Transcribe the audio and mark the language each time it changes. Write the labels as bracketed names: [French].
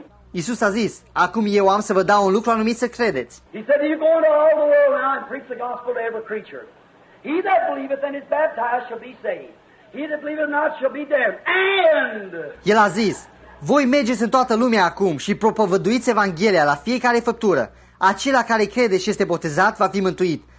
[Romanian] Iisus a zis, acum eu am să vă dau un lucru anumit să credeți. [English] He said, you go into all the world now and preach the gospel to every creature. He that believeth and is baptized shall be saved. He that believeth not shall be damned. And [Romanian] el a zis, voi mergeți în toată lumea acum și propovăduiți Evanghelia la fiecare făptură. Acela care crede și este botezat va fi mântuit.